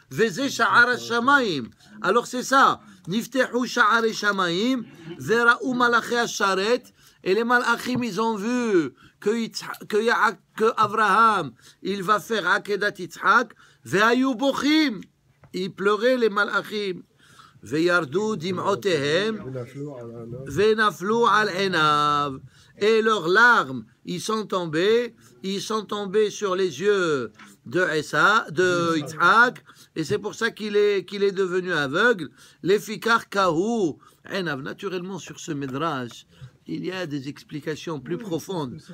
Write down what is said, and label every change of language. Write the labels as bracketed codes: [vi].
[he] Veze Sha'ar HaShamayim. [fr] Alors c'est ça. [he] Niftehu Sha'ar HaShamayim. Vera'u Malaché HaSharet. [fr] Et les Malachim, ils ont vu que Avraham, il va faire Akedat Yitzhak. [he] Ve'ayu Bochim. [fr] Ils pleuraient les Malachim. [he] וירדו דמעותיהם ונפלו על עיניו. [fr] Et leurs larmes, ils sont tombés sur les yeux de Essa, de Yitzhak, et c'est pour ça qu'il est devenu aveugle. [he] L'efficar kahu enav. [fr] Naturellement, sur ce midrash, il y a des explications plus profondes.